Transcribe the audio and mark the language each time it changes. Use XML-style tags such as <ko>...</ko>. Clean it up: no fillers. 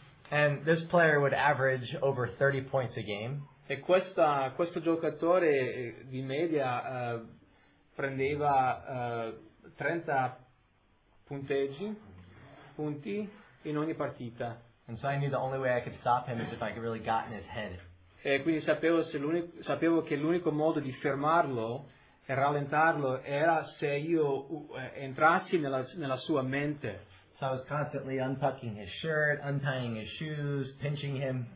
<en>And this player would average over 30 points a game.</en> <it>E questo giocatore di media prendeva 30 punti in ogni partita.</it> <en>And so I knew the only way I could stop him is if I could really got in his head.</en> <it>E quindi sapevo che l'unico modo di fermarlo e rallentarlo era se io entrassi nella sua mente.</it> <en>So I was constantly unpacking his shirt, untying his shoes, pinching him.</en>